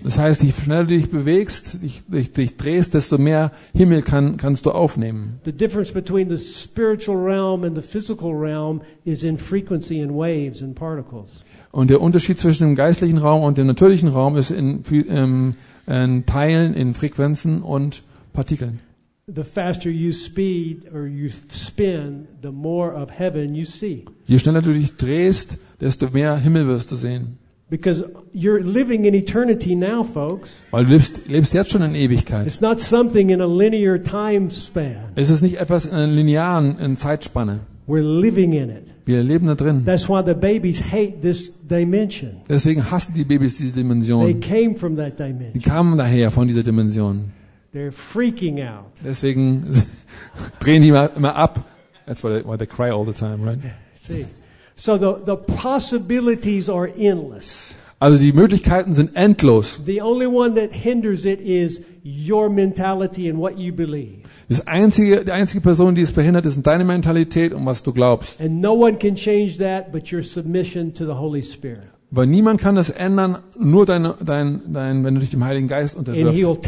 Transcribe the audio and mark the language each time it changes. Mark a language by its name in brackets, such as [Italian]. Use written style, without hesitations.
[German] Das heißt, je schneller du dich bewegst, dich drehst, desto mehr Himmel kannst du aufnehmen. [English] The difference between the spiritual realm and the physical realm is in frequency and waves and particles. [German] Und der Unterschied zwischen dem geistlichen Raum und dem natürlichen Raum ist in Teilen, in Frequenzen und Partikeln. [English] The faster you speed or you spin, the more of heaven you see. [German] Je schneller du dich drehst, desto mehr Himmel wirst du sehen. [English] Because you're living in eternity now, folks. [German] Weil du lebst jetzt schon in Ewigkeit. [English] It's not something in a linear time span. [German] Es ist nicht etwas in einer linearen Zeitspanne. [English] We're living in it. [German] Wir leben da drin. [English] That's why the babies hate this dimension. [German] Deswegen hassen die Babys diese Dimension. [English] They came from that dimension. [German] Die kamen daher von dieser Dimension. [English] They're freaking out. [German] Deswegen drehen die immer ab. [English] That's why they cry all the time, right? See. So the possibilities are endless. [German] Also die Möglichkeiten sind endlos. [English] The only one that hinders it is your mentality and what you believe. [German] Die einzige Person, die es behindert, ist deine Mentalität und was du glaubst. [English] And no one can change that but your submission to the Holy Spirit. [German] Weil niemand kann das ändern, nur dein, wenn du dich dem Heiligen Geist unterwirfst.